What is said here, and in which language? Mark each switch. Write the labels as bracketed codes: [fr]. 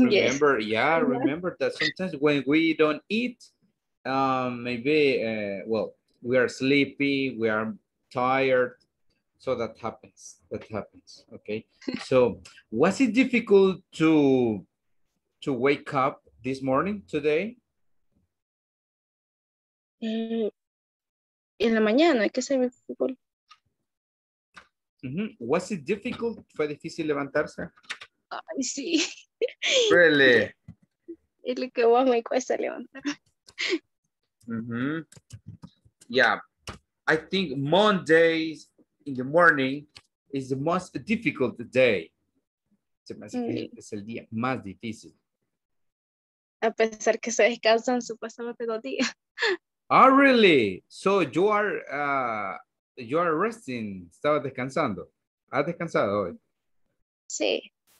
[en] Remember, yeah, remember that sometimes when we don't eat, maybe well, we are sleepy, we are tired. So that happens, okay? So was it difficult to wake up this morning today? [es] En la mañana, hay que hacer el fútbol. [en] Was it difficult? [es] ¿Fue difícil levantarse? Ay, sí. [en] Really? [es] Es lo que más me cuesta levantar. [en] Yeah, I think Mondays in the morning is the most difficult day. [es] Se me hace que es el día más difícil. A pesar que se descansan supuestamente 2 días. [en] Oh, really? So you are resting. [es] Estaba descansando. ¿Has descansado hoy? Sí.